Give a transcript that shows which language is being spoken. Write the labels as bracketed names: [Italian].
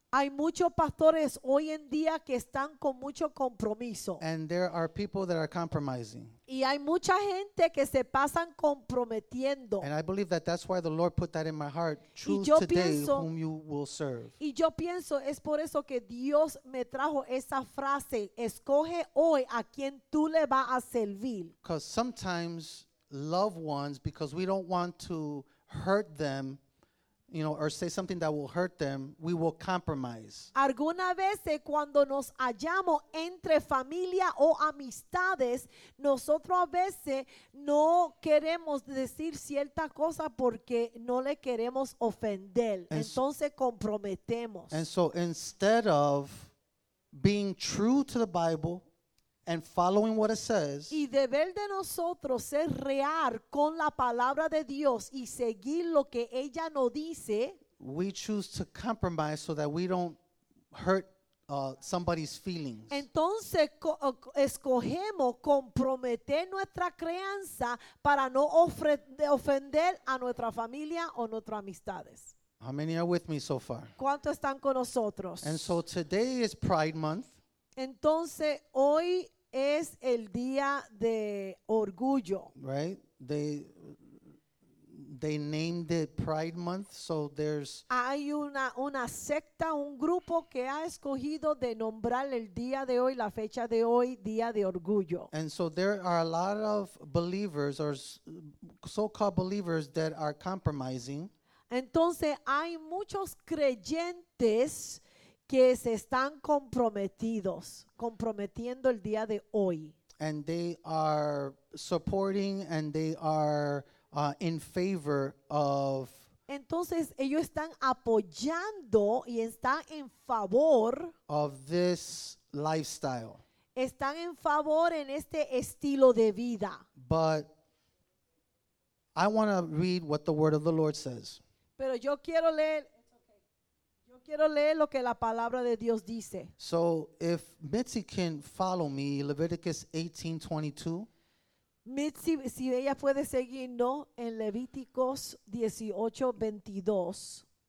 [Spanish] Hay muchos pastores hoy en día que están con mucho compromiso. [English] And there are people that are compromising. [Spanish] Y hay mucha gente que se pasan comprometiendo. [English] And I believe that's why the Lord put that in my heart. Choose today whom you will serve. [Spanish] Y yo pienso, es por eso que Dios me trajo esa frase, escoge hoy a quien tú le vas a servir. [English] Because sometimes loved ones, because we don't want to hurt them, you know, or say something that will hurt them, we will compromise. [Spanish] Alguna vez cuando nos hallamos entre familia o amistades, nosotros a veces no queremos decir cierta cosa porque no le queremos ofender. Entonces comprometemos. [English] And so instead of being true to the Bible and following what it says, [Spanish] y deber de nosotros ser real con la palabra de Dios y seguir lo que ella nos dice, [English] we choose to compromise so that we don't hurt somebody's feelings. [Spanish] Entonces escogemos comprometer nuestra crianza para no ofender a nuestra familia o nuestras amistades. [English] How many are with me so far? [Spanish] ¿Cuántos están con nosotros? [English] And so today is Pride Month. [Spanish] Entonces hoy es el día de orgullo. [English] Right? They named it Pride Month, so there's... [Spanish] Hay una secta, un grupo que ha escogido de nombrar el día de hoy, la fecha de hoy, día de orgullo. [English] And so there are a lot of believers or so-called believers that are compromising. [Spanish] Entonces hay muchos creyentes que se están comprometiendo el día de hoy. [English] And they are supporting and they are in favor of. [Spanish] Entonces ellos están apoyando y están en favor [English] of this lifestyle. [Spanish] Están en favor en este estilo de vida. [English] But I want to read what the word of the Lord says. [Spanish] Pero yo quiero leer. Quiero leer lo que la palabra de Dios dice. [English] So if Mitzi can follow me, Leviticus 18:22. [Spanish] Mitzi, si ella puede seguirnos en Levíticos 18:22.